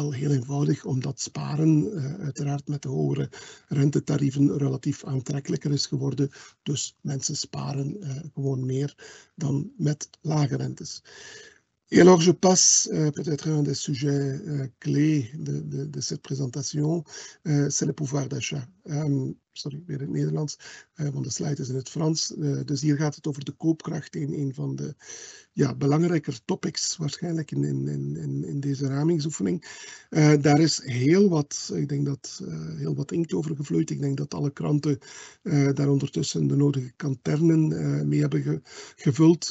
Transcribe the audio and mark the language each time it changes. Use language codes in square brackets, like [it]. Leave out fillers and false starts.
[nl] Wel heel eenvoudig, omdat sparen uiteraard met de hogere rentetarieven relatief aantrekkelijker is geworden. Dus mensen sparen gewoon meer dan met lage rentes. [fr] Et alors, je passe peut-être un des sujets clés de cette présentation, c'est le pouvoir d'achat. [nl] Sorry, weer in het Nederlands, want de slide is in het Frans. Dus hier gaat het over de koopkracht, een van de belangrijker topics waarschijnlijk in deze ramingsoefening. Daar is heel wat, ik denk dat heel wat inkt over gevloeid. Ik denk dat alle kranten daar ondertussen de nodige kanternen mee hebben gevuld.